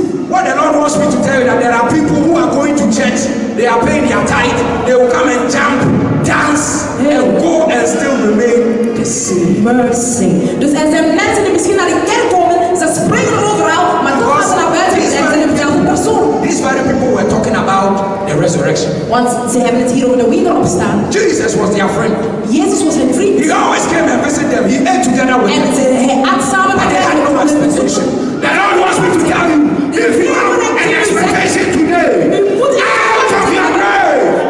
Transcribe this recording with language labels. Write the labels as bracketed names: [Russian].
[English] What the Lord wants me to tell you that there are people who are going to church, they are paying their tithe, they will come and jump, dance, and go and still remain the same. Mercy. [Dutch] Dus er zijn mensen die misschien naar de kerk komen, ze springen overal, maar toch gaan ze naar buiten en ze hebben dezelfde persoon. [English] These very people were talking about the resurrection. [Dutch] Want ze hebben het hier over de wederopstaan. [English] Jesus was their friend. [Dutch] Jezus was hun vriend. [English] He always came and visited them, he ate together with [Dutch] en [English] them. [Dutch] En hij at samen met hen. [English] But they had no expectation. The Lord wants me to tell you. If you have an expectation today, out of your grave!